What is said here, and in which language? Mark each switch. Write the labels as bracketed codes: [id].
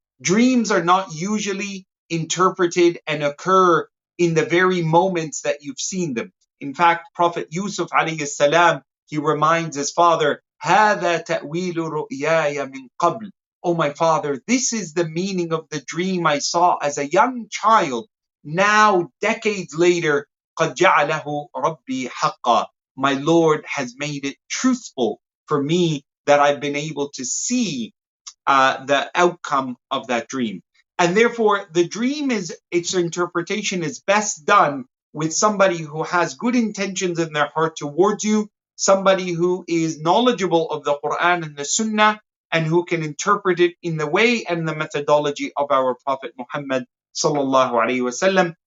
[en] Dreams are not usually interpreted and occur in the very moments that you've seen them. In fact, Prophet Yusuf alayhi salam, he reminds his father, [ar] هَذَا تَأْوِيلُ رُؤْيَايَ مِنْ قَبْلِ. [en] Oh my father, this is the meaning of the dream I saw as a young child. Now, decades later, [ar] قَدْ جَعْلَهُ رَبِّي حَقًّا. [en] My Lord has made it truthful for me that I've been able to see the outcome of that dream. And therefore, the dream is, its interpretation is best done with somebody who has good intentions in their heart towards you, somebody who is knowledgeable of the Quran and the Sunnah, and who can interpret it in the way and the methodology of our Prophet Muhammad sallallahu alaihi wasallam.